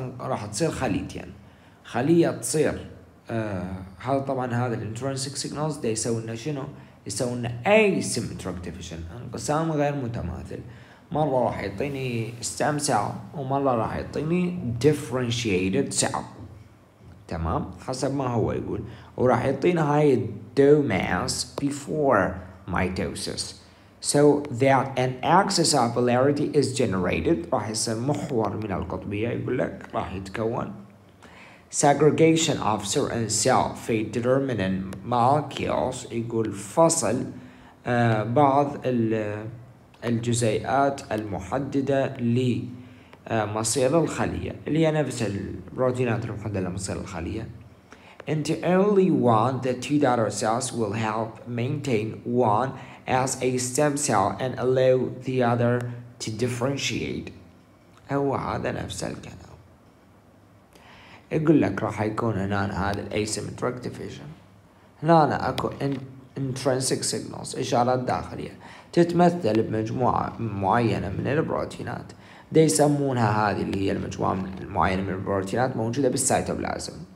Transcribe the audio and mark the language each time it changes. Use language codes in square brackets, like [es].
[ar] راح تصير خليتين، خلية تصير هذا طبعا هذا الانترنسيك سيجنالز دي يسوون لنا شنو؟ يسوون لنا asymmetric division، انقسام غير متماثل، مرة راح يعطيني stem cell ومرة راح يعطيني differentiated cell، تمام، حسب ما هو يقول، وراح يعطينا هاي domains before mitosis. [en] So that an axis of polarity is generated. [ar] راح يصير محور من القطبية يقول لك راح يتكون. [en] Segregation of certain cell [ar] في determinant molecules يقول فصل بعض الجزيئات المحددة لمصير الخلية اللي هي نفس البروتينات المحددة لمصير الخلية. [en] Into only one the two daughter cells will help maintain one as a stem cell and allow the other to differentiate. [ar] هو هذا نفس الكلام. يقول لك راح يكون هنا هذا asymmetric division. هنا اكو intrinsic signals اشارات داخلية تتمثل بمجموعة معينة من البروتينات. دي يسمونها هذه اللي هي المجموعة المعينة من البروتينات موجودة بالسيتوبلازم.